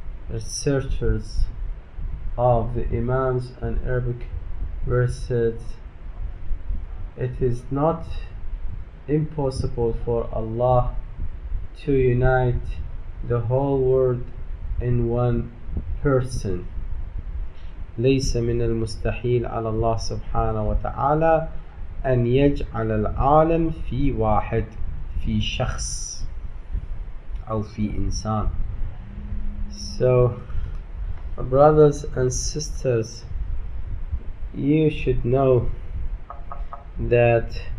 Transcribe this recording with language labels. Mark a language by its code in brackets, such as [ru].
[en] Researchers of the Imams, an Arabic verse says, it is not impossible for Allah to unite the whole world in one person. [ar] ليس من المستحيل على الله سبحانه وتعالى أن يجعل العالم في واحد في شخص أو في إنسان. [en] So, brothers and sisters, you should know that